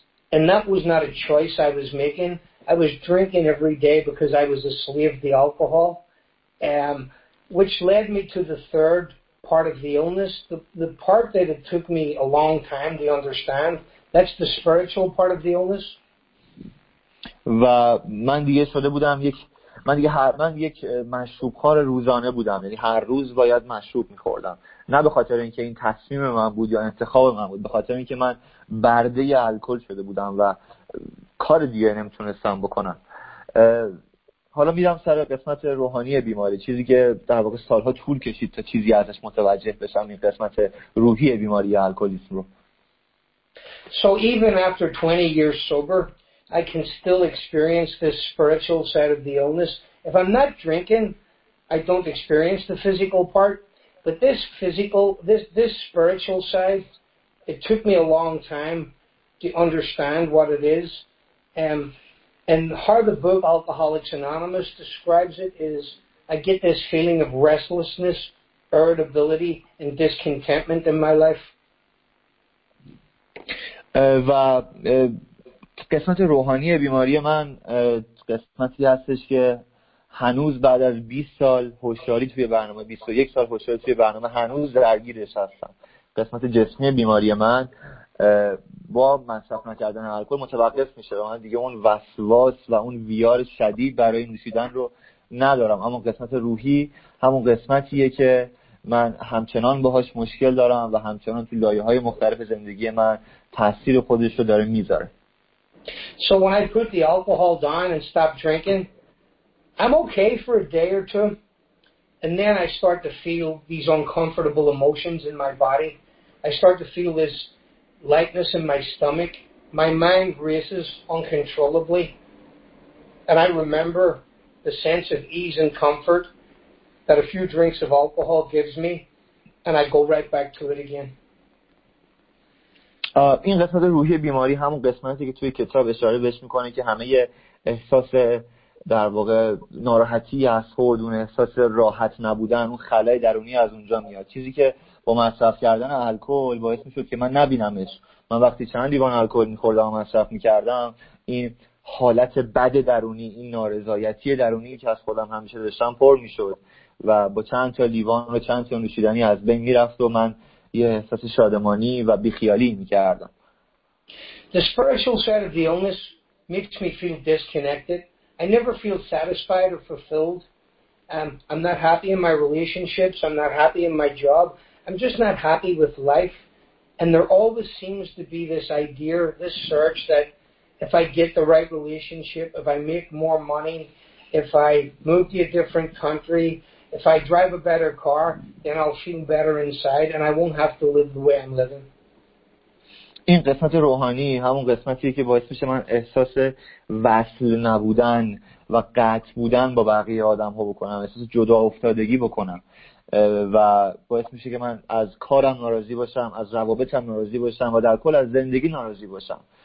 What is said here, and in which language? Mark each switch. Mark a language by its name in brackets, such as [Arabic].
[English] And that was not a choice I was making. I was drinking every day because I was a slave to alcohol, which led me to the third part of the illness. The part that it took me a long time to understand, that's the spiritual part of the illness. [Persian] و من دیگه شده بودم یک من دیگه هر من یک مشروبخور روزانه بودم، یعنی هر روز باید مشروب می‌خوردم، نه به خاطر اینکه این تصمیم من بود یا انتخاب من بود، به خاطر اینکه من برده الکل شده بودم و کار دیگه نمیتونستم بکنم. حالا میرم سر قسمت روحانی بیماری، چیزی که در واقع سالها طول کشید تا چیزی ازش متوجه بشم، این قسمت روحی بیماری الکلیسم رو. [English] So even after 20 years sober, I can still experience this spiritual side of the illness. If I'm not drinking, I don't experience the physical part. But this spiritual side, it took me a long time to understand what it is. And how the book Alcoholics Anonymous describes it is, I get this feeling of restlessness, irritability, and discontentment in my life. [Persian] و قسمت روحانی بیماری من قسمتی هستش که هنوز بعد از 20 سال هوشیاری توی برنامه، 21 سال هوشیاری توی برنامه، هنوز درگیرش هستم. قسمت جسمی بیماری من با مصرف نکردن الکل متوقف میشه و من دیگه اون وسواس و اون ویار شدید برای نوشیدن رو ندارم، اما قسمت روحی همون قسمتیه که من همچنان باهاش مشکل دارم و همچنان تو لایه‌های مختلف زندگی من تأثیر خودش رو داره میذاره. [English] So when I put the alcohol down and stop drinking, I'm okay for a day or two, and then I start to feel these uncomfortable emotions in my body. I start to feel this lightness in my stomach. My mind races uncontrollably, and I remember the sense of ease and comfort that a few drinks of alcohol gives me, and I go right back to it again. [Persian] این قسمت روحی بیماری همون قسمتی که توی کتاب اشاره بهش میکنه که همه احساس در واقع ناراحتی از خود، اون احساس راحت نبودن، اون خلای درونی از اونجا میاد، چیزی که با مصرف کردن الکل باعث میشد که من نبینمش. من وقتی چند لیوان الکل میخوردم و مصرف میکردم، این حالت بد درونی، این نارضایتی درونی که از خودم همیشه داشتم پر میشد و با چند تا لیوان و چند تا نوشیدنی از بین میرفت و من یه احساس شادمانی و بیخیالی میکردم. [English] The spiritual side of the illness makes me feel disconnected. I never feel satisfied or fulfilled. I'm not happy in my relationships. I'm not happy in my job. I'm just not happy with life. And there always seems to be this idea, this search that if I get the right relationship, if I make more money, if I move to a different country, if I drive a better car, then I'll feel better inside and I won't have to live the way I'm living. [Persian] این قسمت روحانی همون قسمتیه که باعث میشه من احساس وصل نبودن و قطع بودن با بقیه آدم ها بکنم، احساس جدا افتادگی بکنم و باعث میشه که من از کارم ناراضی باشم، از روابطم ناراضی باشم و در کل از زندگی ناراضی باشم.